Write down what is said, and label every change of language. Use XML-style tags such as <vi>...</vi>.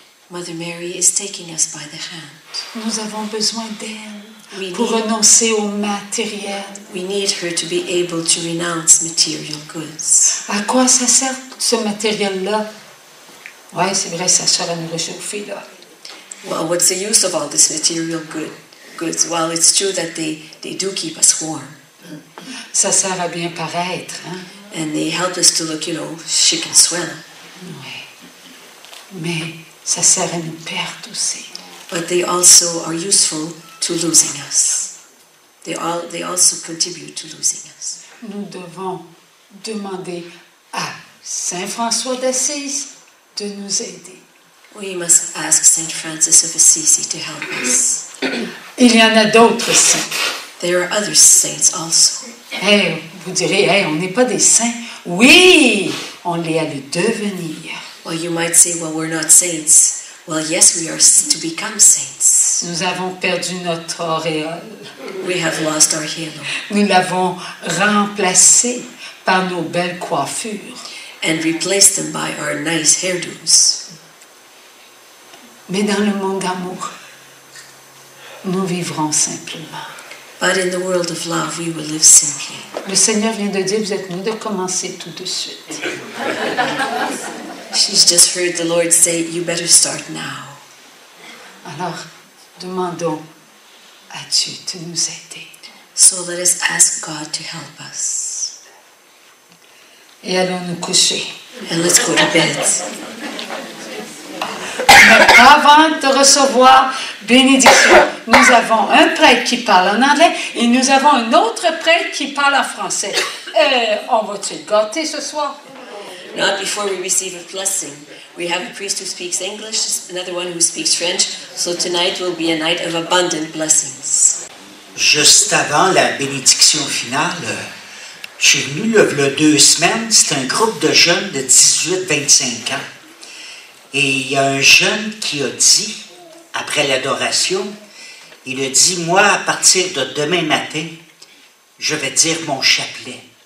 <en>Mother Mary is taking us by the hand.</en> <fr>Nous avons besoin d'elle pour renoncer au matériel.</fr> <en>We need her to be able to renounce material goods.</en> <fr>À quoi ça sert ce matériel-là? Ouais, c'est vrai, ça sert à nous réchauffer là.</fr> <en>Well, what's the use of all this material goods? Well, it's true that they do keep us warm.</en> <fr>Ça sert à bien paraître, hein?</fr> <en>And they help us to look, you know, chic and swell.</en> <fr>Oui. Mais ça sert à nous perdre aussi.</fr> <en>But they also are useful to losing us. They also contribute to losing us.</en> <fr>Nous devons demander à Saint François d'Assise de nous aider.</fr> <en>We must ask Saint Francis of Assisi to help us.</en> <fr>Il y en a d'autres saints.</fr> <en>There are other saints also.</en> <fr>Hey, vous direz, hey, on n'est pas des saints. Oui, on l'est à le devenir.</fr> <en>Well, you might say, well, we're not saints. Well, yes, we are to become saints.</en> <fr>Nous avons perdu notre auréole.</fr> <en>We have lost our halo.</en> <fr>Nous l'avons remplacé par nos belles coiffures.</fr> <en>And replaced them by our nice hairdos.</en> <fr>Mais dans le monde d'amour, nous vivrons simplement.</fr> <en>But in the world of love, we will live simply.</en> <fr>Le Seigneur vient de dire, vous êtes mieux de commencer tout de suite.</fr> <en>She's just heard the Lord say, you better start now.</en> <fr>Alors, demandons à Dieu de nous aider.</fr> <en>So let us ask God to help us.</en> <fr>Et allons nous coucher.</fr> <en>And let's go to bed.</en> <fr>Avant de recevoir bénédiction, nous avons un prêtre qui parle en anglais et nous avons un autre prêtre qui parle en français. On va-t-il gâter ce soir?</fr> <en>Not before we receive a blessing. We have a priest who speaks English, another one who speaks French. So tonight will be a night of abundant blessings.</en> <fr>Juste avant la bénédiction finale, je suis venu le 2 semaines. C'est un groupe de jeunes de 18-25 ans. Et il y a un jeune qui a dit, après l'adoration, il a dit, moi, à partir de demain matin, je vais dire mon chapelet.</fr>